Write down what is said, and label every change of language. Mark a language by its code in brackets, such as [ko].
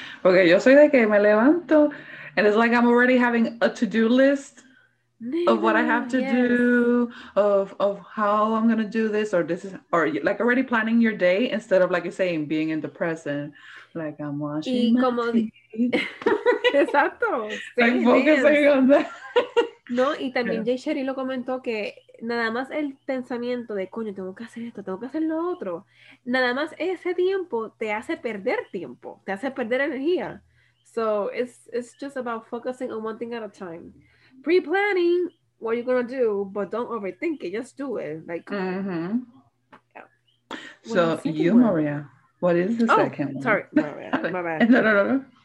[es] Porque yo soy de que me levanto [en] and it's like I'm already having a to-do list of what I have to yes. do, of how I'm going to do this, or this is, or like already planning your day instead of, like you're saying, being in the present, like I'm washing [es] y como... Exacto. Sí, [en] like focusing yes. on that. [es] No, y también yeah. Jay Sherry lo comentó que nada más el pensamiento de, coño, tengo que hacer esto, tengo que hacer lo otro. Nada más ese tiempo, te hace perder energía. [en] So it's just about focusing on one thing at a time. Pre-planning what you're going to do, but don't overthink it. Just do it. Like, mm-hmm. yeah. So you, one? Maria, what is the oh, second one? Sorry, Maria. My bad. No.